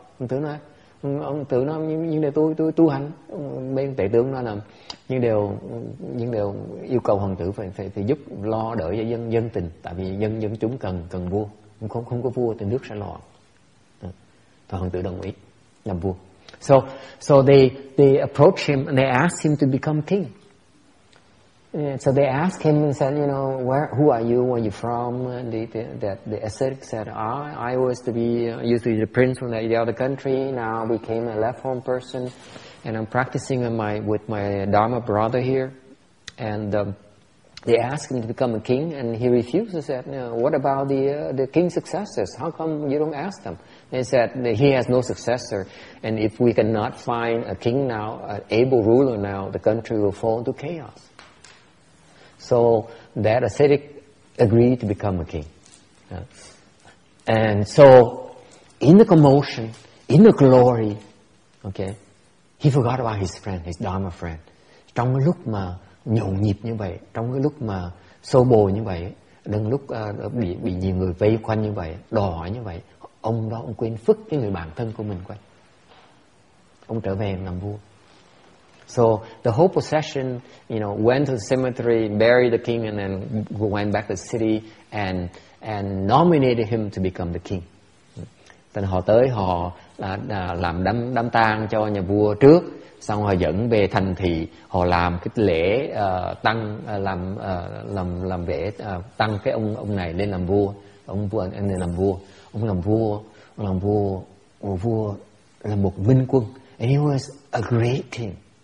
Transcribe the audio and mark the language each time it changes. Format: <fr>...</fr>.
<vi>Hoàng tử nói, nhưng đều tôi tu hành. Bên tể tướng nói là nhưng đều yêu cầu hoàng tử phải giúp lo đỡ cho dân tình, tại vì dân chúng cần vua, không có vua thì nước sẽ loạn. và hoàng tử đồng ý làm vua.</vi> <en>So they approach him and they ask him to become king. So they ask him and said, you know, who are you? Where are you from? And the ascetic said, I was to be used to be the prince from the other country. Now I became a left home person, and I'm practicing with my Dharma brother here. And they ask him to become a king, and he refused. They said, what about the king's successors? How come you don't ask them? They said he has no successor, and if we cannot find a king now, an able ruler now, the country will fall into chaos. So that ascetic agreed to become a king. And so in the commotion, in the glory, okay, he forgot about his friend, his Dharma friend.</en> <vi>Trong cái lúc mà nhộn nhịp như vậy, trong cái lúc mà xô bồ như vậy, đến lúc bị nhiều người vây quanh như vậy, đòi hỏi như vậy, ông đó ông quên phức cái người bạn thân của mình quá. Ông trở về làm vua.</vi> <en>So the whole procession, you know, went to the cemetery, buried the king, and then went back to the city and nominated him to become the king.</en> <vi>Then họ tới họ làm đám tang cho nhà vua trước, xong họ dẫn về thành thị, họ làm cái lễ tăng làm lễ tăng cái ông này lên làm vua, ông vua anh lên làm vua, ông làm vua là một minh quân,</vi> <en>and he was a great king.</en>